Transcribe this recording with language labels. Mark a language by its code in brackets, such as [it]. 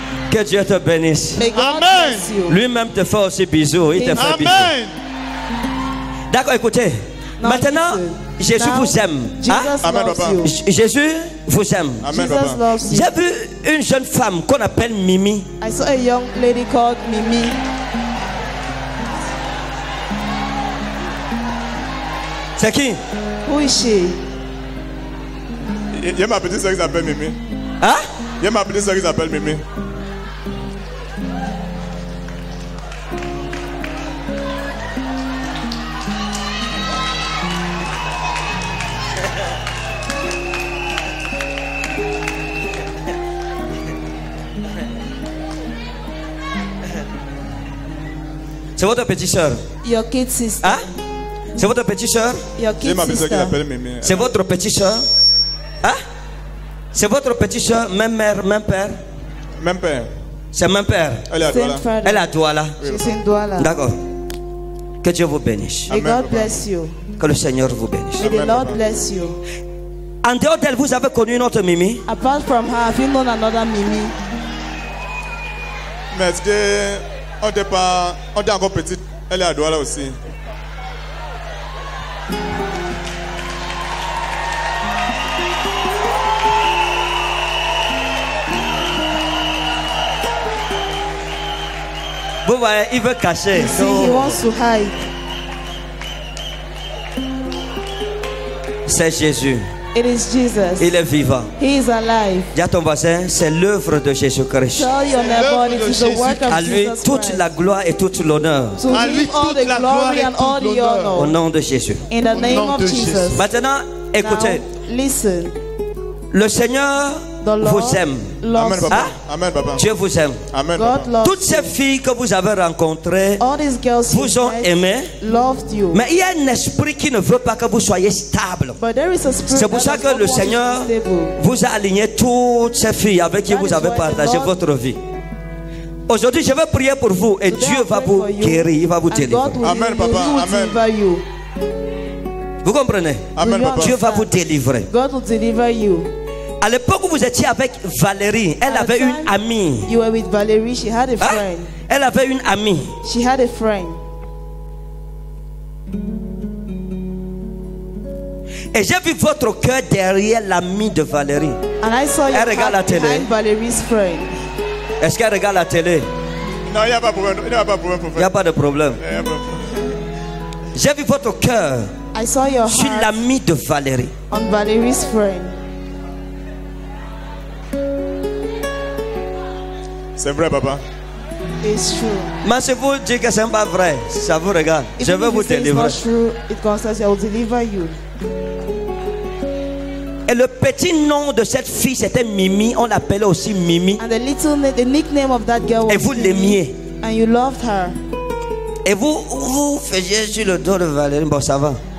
[fr] Que Dieu te bénisse. Amen. Lui-même te fait aussi bisous. Il te fait amen. Bisous. D'accord, écoutez. Non, maintenant, Jésus vous aime. Amen, papa. Jésus vous aime. Amen, papa. J'ai vu une jeune femme qu'on appelle Mimi. [en] I saw a young lady called Mimi. [fr] C'est qui? Où est chez? Il y a ma petite soeur qui s'appelle Mimi. Hein? Il y a ma petite soeur qui s'appelle Mimi. C'est votre petite soeur. [en] Your kid sister. [fr] Hein? C'est votre petite soeur. [en] Your kid sister. [fr] C'est ma qui l'appelle Mimi. C'est votre petite soeur. Hein? C'est votre petite soeur, même mère, même père. Même père. C'est même père. Elle est à Douala. Elle est à Douala. Oui. Je suis Douala. D'accord. Que Dieu vous bénisse. [en] Amen, God bless you. [fr] Que le Seigneur vous bénisse. [en] May the Lord bless you. [fr] En dehors d'elle, vous avez connu une autre Mimi? [en] Apart from her, have you known another Mimi? [fr] Mais est-ce que... On n'est pas, on est encore petite. Elle est à Douala aussi. Vous voyez, il veut cacher. [en] See, he wants to hide. [fr] C'est Jésus. [en] It is Jesus. [fr] Il est vivant. [en] He is alive. [fr] Dis à ton voisin, c'est l'œuvre de Jésus Christ. [en] Tell your neighbor, it is the work of Jesus. [fr] À lui toute la gloire et toute l'honneur. [en] To him all the glory and all the honor. [fr] Au nom de Jésus. [en] In the name of Jesus. [fr] Maintenant, écoutez. [en] Listen. [fr] Le Seigneur vous aime. Amen, papa. Hein? Amen, papa. Dieu vous aime. Amen, [en] God [fr] papa. [en] Loves [fr] toutes ces filles que vous avez rencontrées vous ont aimé. [en] Loved you. [fr] Mais il y a un esprit qui ne veut pas que vous soyez stable. [en] But there is a spirit. [fr] C'est pour ça que le Seigneur vous a aligné toutes ces filles avec qui vous avez partagé votre vie. Aujourd'hui, je vais prier pour vous et Dieu va vous guérir, il va vous délivrer. Amen, papa. Amen. Vous comprenez? Amen, papa. Dieu va vous délivrer. [en] God will deliver you. [fr] À l'époque où vous étiez avec Valérie, elle avait une amie. [en] You were with Valérie, she had a friend. [fr] Elle avait une amie. [en] She had a friend. [fr] Et j'ai vu votre cœur derrière l'ami de Valérie. [en] And I saw your heart behind Valérie's friend. [fr] Est-ce qu'elle regarde la télé? Non, il n'y a pas de problème. Il n'y a pas de problème. Il n'y a pas de problème. J'ai vu votre cœur. [en] I saw your heart. [fr] Sur l'ami de Valérie. [en] On Valérie's friend. [fr] C'est vrai, papa. [en] It's true. [fr] Mais si vous dites que c'est pas vrai, ça vous regarde. [en] If [fr] je vais vous délivrer. [en] It's not true, it concerns you. I will deliver you. [fr] Et le petit nom de cette fille, c'était Mimi. On l'appelait aussi Mimi. [en] And the little name, the nickname of that girl was. [fr] Et vous l'aimiez. [en] And you loved her. [fr] Et vous faisiez sur le dos de Valérie. Bon, ça va.